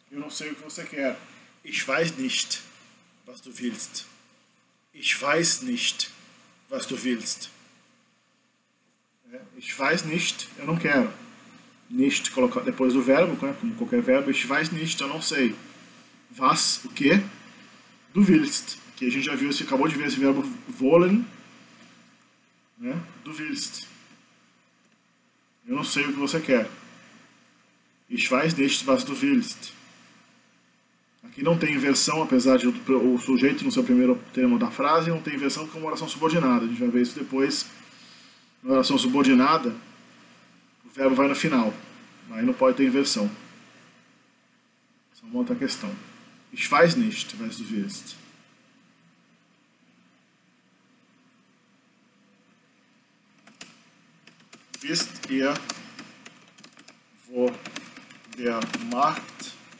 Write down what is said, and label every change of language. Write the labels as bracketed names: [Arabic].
[Portuguese] Sei o que você quer. [German] Ich weiß nicht, was du willst. Ich weiß nicht, was du willst. Ich weiß nicht, [Portuguese] eu não quero. Nicht, colocar depois do verbo, como qualquer verbo. [German] Ich weiß nicht, [Portuguese] eu não sei. Was, o quê? [German] Du willst. [Portuguese] Que a gente já viu, acabou de ver esse verbo wollen. Né? Du willst. Eu não sei o que você quer. [German] Ich weiß nicht, was du willst. [Portuguese] Aqui não tem inversão, apesar de o sujeito no seu primeiro termo da frase, não tem inversão porque é uma oração subordinada. A gente vai ver isso depois. Na oração subordinada, o verbo vai no final. Aí não pode ter inversão. Essa é uma outra questão. [German] Ich weiß nicht, was du willst. Wisst ihr, wo der Markt.